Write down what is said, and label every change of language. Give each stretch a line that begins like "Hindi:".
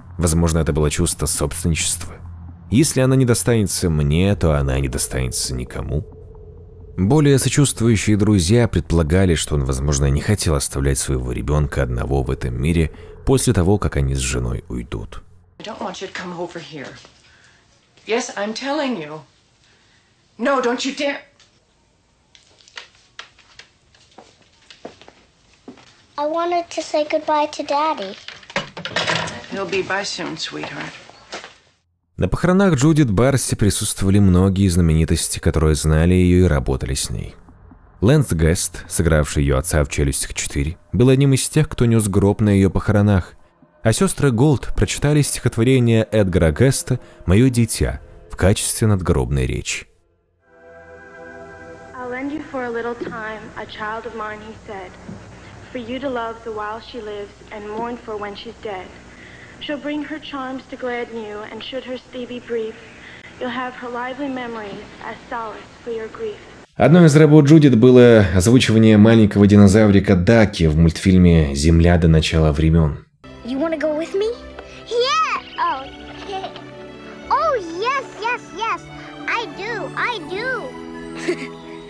Russian: Возможно, это было чувство собственничества. Если она не достанется мне, то она не достанется никому. Более сочувствующие друзья предполагали, что он, возможно, не хотел оставлять своего ребенка одного в этом мире после того, как они с женой уйдут.
English: I don't want you to come over here. Yes, I'm telling you. No, don't you dare. I wanted to say goodbye to daddy. He'll be by soon, sweetheart.
Russian: На похоронах Джудит Барси присутствовали многие знаменитости, которые знали ее и работали с ней. Лэнс Гест, сыгравший ее отца в «Челюстях 4», был одним из тех, кто нес гроб на ее похоронах, а сестры Голд прочитали стихотворение Эдгара Геста «Мое дитя» в качестве надгробной речи.
English: I'll lend you for a little time, a child of mine, he said, for you to love the while she lives and mourn for when she's dead. She'll bring her charms to gladden you, and should her stay be brief, You'll have her lively memories as solace for your grief.
Russian: Одной из работ Джудит было озвучивание маленького динозаврика Даки в мультфильме «Земля до начала времен».
English: You wanna go with me? Yeah! Oh, okay. Oh, yes, yes, yes! I do, I do!